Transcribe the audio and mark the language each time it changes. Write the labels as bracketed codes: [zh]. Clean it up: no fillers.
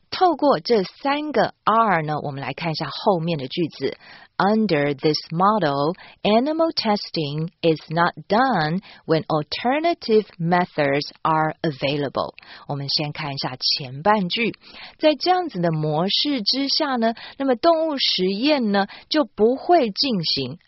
[zh] 透过这三个 R 呢，我们来看一下后面的句子。 [en] Under this model, animal testing is not done when alternative methods are available. [zh] 我们先看一下前半句。在这样子的模式之下呢，那么动物实验呢，就不会进行。